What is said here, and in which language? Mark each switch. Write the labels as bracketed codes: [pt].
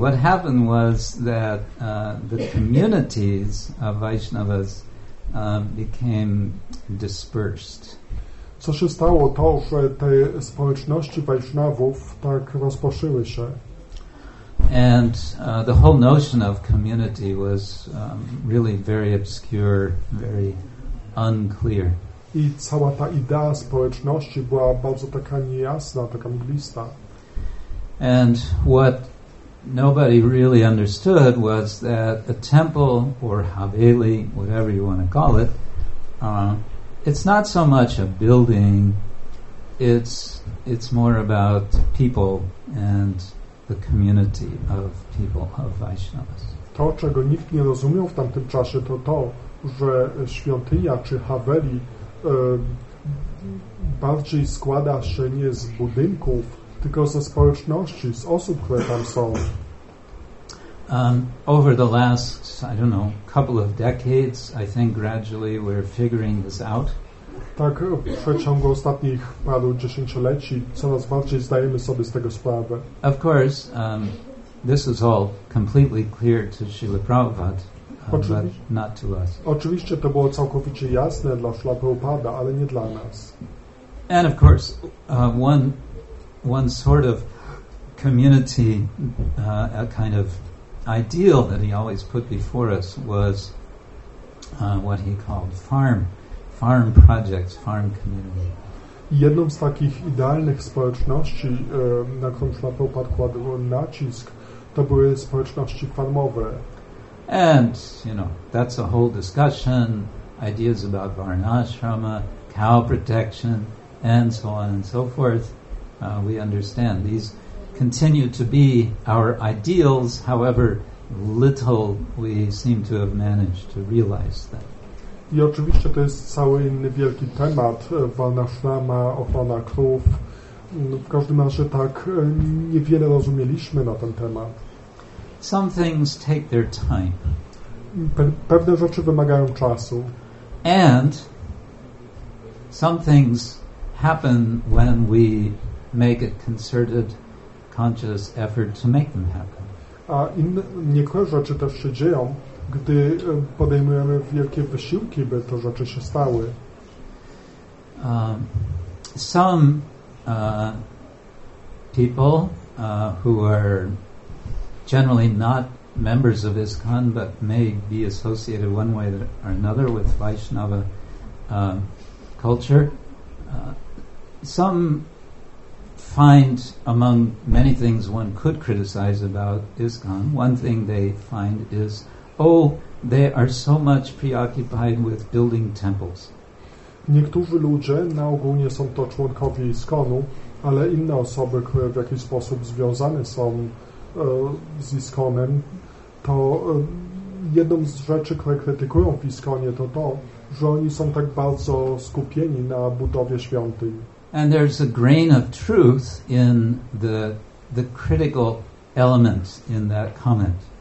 [en] What happened was that the communities of Vaishnavas became dispersed. [pl] Co się stało? To, że te społeczności Vaishnavów tak rozproszyły się. [en] And the whole notion of community was really very obscure, very unclear. [pl] I cała ta idea społeczności była bardzo taka niejasna, taka mglista. [en] And what nobody really understood was that a temple or haveli, whatever you want to call it, it's not so much a building, it's more about people and the community of people of Vaishnavas. [pl] To, czego nikt nie rozumiał w tamtym czasie, to, że świątynia czy haveli bardziej składa się nie z budynków, tylko ze społeczności, z osób, które tam są. [en] Over the last, I don't know, couple of decades, I think gradually we're figuring this out. [pl] Tak, w przeciągu ostatnich paru dziesięcioleci coraz bardziej zdajemy sobie z tego sprawę. [en] Of course, this is all completely clear to Śrīla Prabhupāda, but not to us. [pl] Oczywiście to było całkowicie jasne dla Śrīla Prabhupāda, ale nie dla nas. [en] And of course, one sort of community, a kind of ideal that he always put before us was what he called farm projects, farm community. [pl] Jedną z takich idealnych społeczności, na którą Śrīla Prabhupāda kładł nacisk, to były społeczności farmowe. [en] And, you know, that's a whole discussion, ideas about varnashrama, cow protection, and so on and so forth. We understand these continue to be our ideals, however little we seem to have managed to realize them. [pl] I oczywiście to jest cały inny wielki temat, varnashrama, ochrona krów. W każdym razie tak niewiele rozumieliśmy na ten temat. [en] Some things take their time. [pl] Pewne rzeczy wymagają czasu. [en] And some things happen when we make a concerted, conscious effort to make them happen. [pl] A niektóre rzeczy też się dzieją, gdy podejmujemy wielkie wysiłki, by te rzeczy się stały. [en] Some people who are generally not members of ISKCON but may be associated one way or another with Vaishnava culture, some find among many things one could criticize about ISKCON, one thing they find is, oh, they are so much preoccupied with building temples. [pl] Niektórzy ludzie, na ogół nie są to członkowie ISKCON-u, ale inne osoby, które w jakiś sposób związane są z ISKCON-em, to jedną z rzeczy, które krytykują w ISKCON-ie, to, że oni są tak bardzo skupieni na budowie świątyń. [en] And there's a grain of truth in the critical element in that comment.